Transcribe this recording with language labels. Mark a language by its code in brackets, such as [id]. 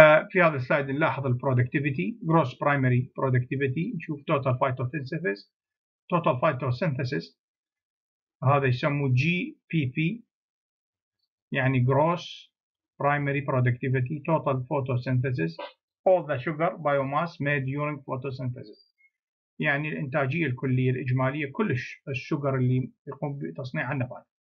[ar] في هذا السلايد نلاحظ البرودكتيفيتي، جروس برايمري برودكتيفيتي، نشوف توتال فايتوسينثيسيس، توتال فايتوسينثيسيس هذا يسموه جي بي بي، يعني جروس برايمري برودكتيفيتي توتال فوتوسينثيسيس [en] all the sugar biomass made during photosynthesis. [ar] يعني الإنتاجية الكلية الإجمالية كلش السكر اللي يقوم بتصنيع النبات.